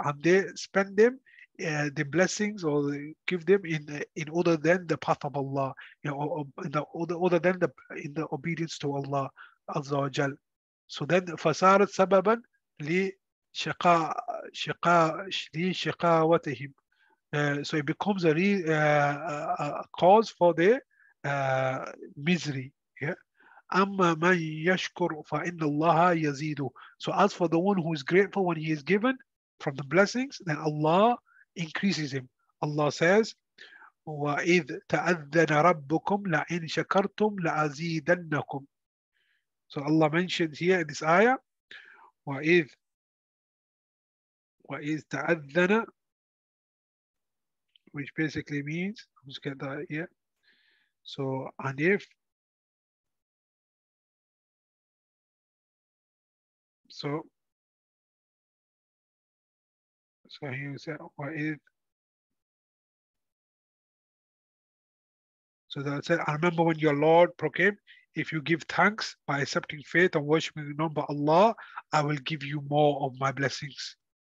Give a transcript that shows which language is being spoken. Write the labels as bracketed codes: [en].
[en] And they spend them, the blessings, or give them in other than the path of Allah, in the obedience to Allah Azza wa Jal. So then, [ar] فَصَارَتْ سَبَبًا لِشِقَاوَتِهِمْ. [en] So it becomes a cause for their misery. [ar] أَمَّا مَنْ يَشْكُرُ فَإِنَّ اللَّهَ يَزِيدُ. [en] So as for the one who is grateful when he is given from the blessings, then Allah increases him. Allah says, [ar] وَإِذْ تَأَذَّنَ رَبُّكُمْ لَإِنْ شَكَرْتُمْ لَأَزِيدَنَّكُمْ. [en] So Allah mentions here in this ayah, [ar] وَإِذْ تَأَذَّنَ, [en] which basically means, let's get that here. So, and if, so, so he said, so that said, I remember when your Lord proclaimed, if you give thanks by accepting faith and worshiping the name of Allah, I will give you more of my blessings.